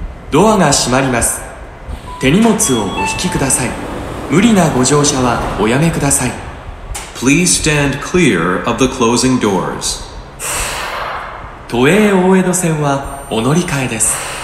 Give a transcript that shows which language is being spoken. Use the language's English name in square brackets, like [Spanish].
[Japanese] ドアが閉まります。手荷物をお引きください。無理なご乗車はおやめください。 [English] Please stand clear of the closing doors. [Japanese] 都営大江戸線はお乗り換えです。